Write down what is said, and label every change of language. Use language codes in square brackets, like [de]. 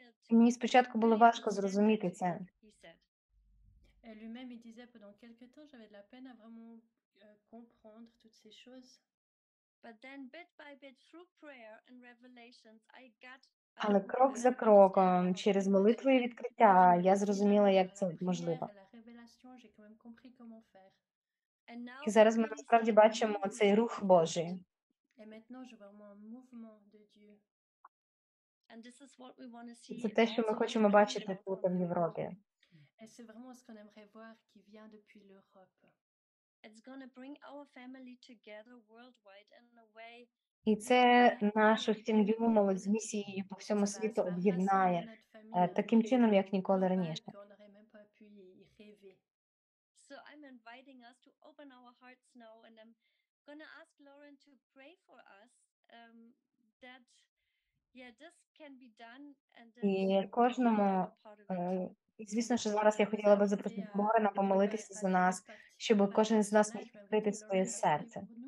[uk] Мені спочатку було важко зрозуміти це. [fr] Et lui-même, il disait, pendant quelques temps, j'avais de la peine à vraiment comprendre toutes ces choses. [en] But then, bit by bit, through prayer and revelations, I got... [uk] Але крок за кроком, через молитви і відкриття, я зрозуміла, як це можливо. [fr] La révélation, j'ai quand même compris comment faire. [en] And now, [uk] і зараз ми насправді бачимо цей рух Божий. [fr] Et maintenant, je vois vraiment un mouvement de Dieu. [en] And this is what we want to see. [uk] Це те, що ми хочемо бачити тут, в Європі. [fr] Et c'est vraiment ce qu'on aimerait voir qui vient depuis l'Europe. [en] It's gonna bring our family together worldwide in a way. [uk] І це нашу сім'ю, мову з місією по всьому світу об'єднає таким чином, як ніколи раніше. [en] So I'm inviting us to open our hearts now and I'm gonna ask Lauren to pray for us that yeah, this can be done and [uk] і кожному і, звісно, що зараз я хотіла би запросити Лорена помолитися за нас, щоб кожен з нас міг відкрити своє серце.